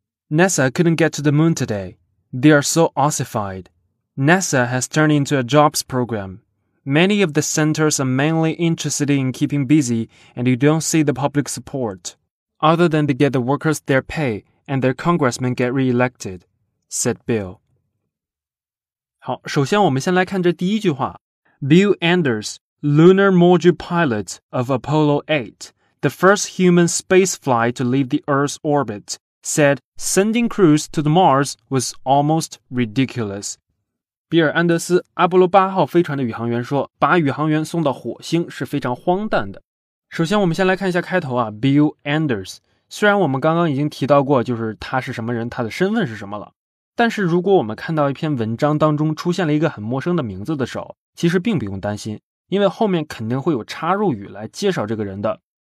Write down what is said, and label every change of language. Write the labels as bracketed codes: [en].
[en] NASA couldn't get to the moon today. They are so ossified. NASA has turned into a jobs program. Many of the centers are mainly interested in keeping busy and you don't see the public support, other than to get the workers their pay and their congressmen get re-elected, said Bill. [zh] 好，首先我们先来看这第一句话。 [en] Bill Anders, Lunar Module Pilot of Apollo 8, the first human space flight to leave the Earth's orbit, said sending crews to the Mars was almost ridiculous. [zh] 比尔·安德斯，阿波罗8号飞船的宇航员说，把宇航员送到火星是非常荒诞的。首先我们先来看一下开头啊， Bill Anders, 虽然我们刚刚已经提到过就是他是什么人，他的身份是什么了。但是如果我们看到一篇文章当中出现了一个很陌生的名字的时候，其实并不用担心，因为后面肯定会有插入语来介绍这个人的。